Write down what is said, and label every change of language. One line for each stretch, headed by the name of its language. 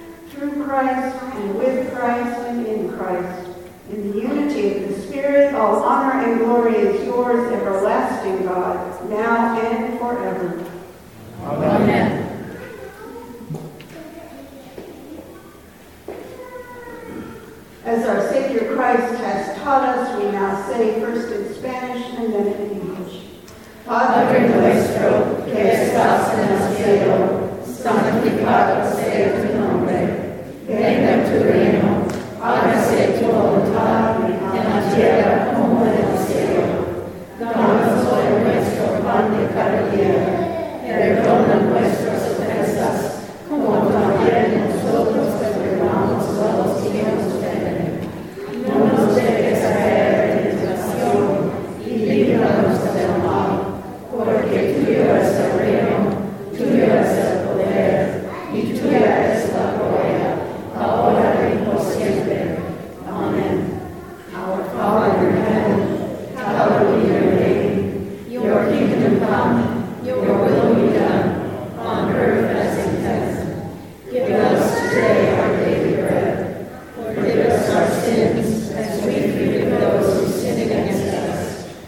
English: Through Christ and with Christ and in Christ, in the unity of the Spirit, all honor and glory is yours, everlasting God, now and forever. Amen. Amen. As our Savior Christ has taught us, we now say first in Spanish and then in English.
Spanish: Padre nuestro, que estás en el cielo, santificado sea tu nombre. Venga tu reino, hágase tu voluntad en la tierra como en el cielo. Danos hoy nuestro pan de cada día. Perdona nuestras ofensas, como también nosotros perdonamos a los que nos ofenden. No nos dejes caer en tentación y líbranos del mal, porque tuyo es el reino, tuyo es el poder y tuya es la gloria, ahora y por siempre. Amén.
English: Our Father in heaven, hallowed be your name, your kingdom come, your will be done on earth as it is. Give us today our daily bread. Forgive us our sins as we forgive those who sin against us.